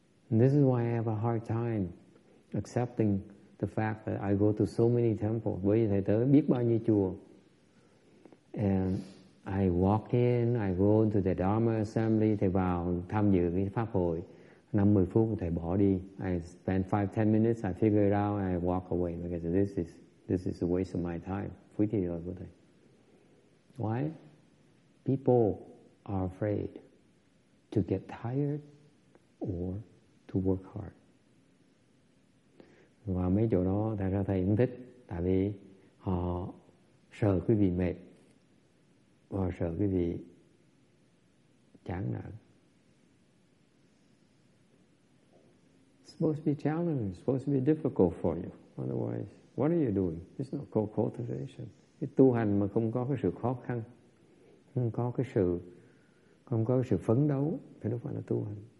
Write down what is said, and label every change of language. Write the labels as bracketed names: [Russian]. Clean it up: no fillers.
[English] And this is why I have a hard time accepting the fact that I go to so many temples. [Vietnamese] Bởi vì thầy tới biết bao nhiêu chùa. [English] And I walk in, I go to the Dharma assembly, [Vietnamese] thầy vào tham dự cái pháp hội. 5-10 phút thầy bỏ đi. [English] I spend 5-10 minutes, I figure it out, and I walk away because this is a waste of my time. [Vietnamese] Phí thời gian của thầy. [English] Why? People are afraid to get tired or to work hard. [Vietnamese] Và mấy chỗ đó thật ra thầy cũng thích, tại vì họ sợ quý vị mệt, họ sợ quý vị chán nản. [English] Supposed to be challenging, supposed to be difficult for you. Otherwise, what are you doing? It's not called cultivation. [Vietnamese] Cái tu hành mà không có cái sự khó khăn, không có cái sự phấn đấu, thì đâu phải là tu hành.